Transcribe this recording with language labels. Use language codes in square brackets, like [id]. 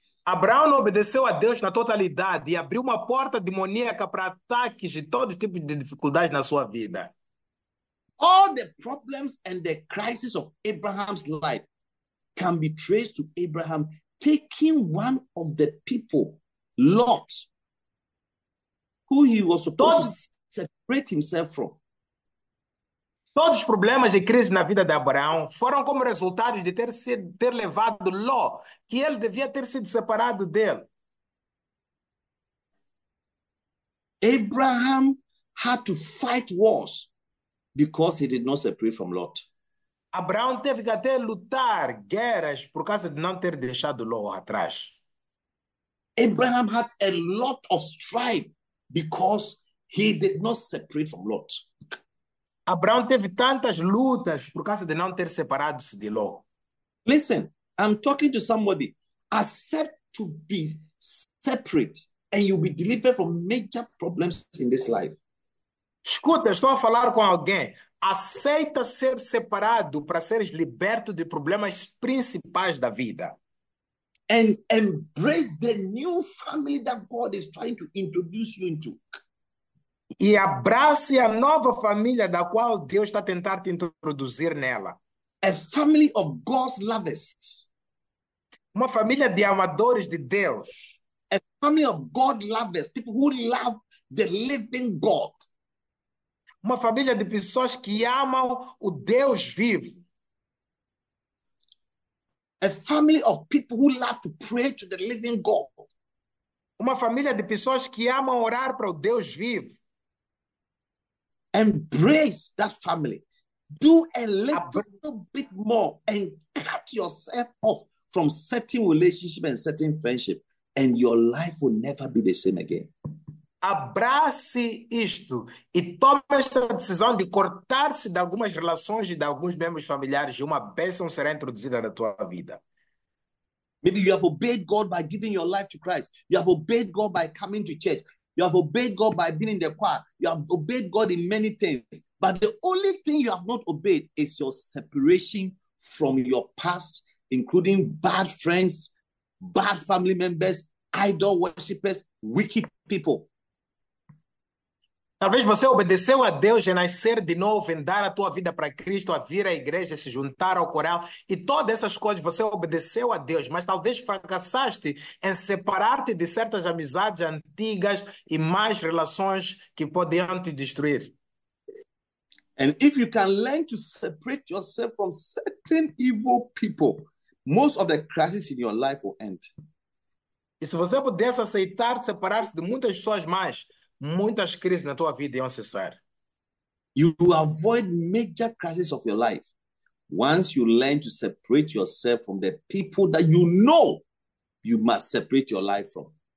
[pt] Abraão não obedeceu a Deus na totalidade e abriu uma porta demoníaca para ataques de todo tipo de dificuldades na sua vida. [en] All the problems and the crisis of Abraham's life can be traced to Abraham taking one of the people, Lot, who he was supposed to separate himself from. [pt] Todos os problemas e crises na vida de Abraão foram como resultado de ter levado Ló, que ele devia ter sido separado dele. [en] Abraham had to fight wars because he did not separate from Lot. [pt] Abraão teve que até lutar guerras por causa de não ter deixado Ló atrás. [en] Abraham had a lot of strife because he did not separate from Lot. [pt] Abraão teve tantas lutas por causa de não ter separado-se de Ló. [en] Listen, I'm talking to somebody. Accept to be separate and you'll be delivered from major problems in this life. [pt] Escuta, estou a falar com alguém. Aceita ser separado para seres liberto de problemas principais da vida. [en] And embrace the new family that God is trying to introduce you into. [pt] E abrace a nova família da qual Deus está tentando te introduzir nela. [en] A family of God's lovers. [pt] Uma família de amadores de Deus. [en] A family of God lovers, people who love the living God. [pt] Uma família de pessoas que amam o Deus vivo. [en] A family of people who love to pray to the living God. [pt] Uma família de pessoas que amam orar para o Deus vivo. [en] Embrace that family. Do a little bit more and cut yourself off from certain relationships and certain friendships, and your life will never be the same again. [pt] Abrace isto e tome esta decisão de cortar-se de algumas relações e de alguns membros familiares, e uma bênção será introduzida na tua vida. [en] Maybe you have obeyed God by giving your life to Christ. You have obeyed God by coming to church. You have obeyed God by being in the choir. You have obeyed God in many things. But the only thing you have not obeyed is your separation from your past, including bad friends, bad family members, idol worshippers, wicked people. [pt] Talvez você obedeceu a Deus de nascer de novo, em dar a tua vida para Cristo, a vir à igreja, se juntar ao coral e todas essas coisas. Você obedeceu a Deus, mas talvez fracassaste em separar-te de certas amizades antigas e más relações que podiam te destruir. [en] And if you can learn to separate yourself from certain evil people, most of the crisis in your life will end. [pt] E se você pudesse aceitar separar-se de muitas pessoas más, muitas crises na tua vida iam cessar. [en] You will avoid major crises of your life once you learn to separate yourself from the people that you know you must separate your life from.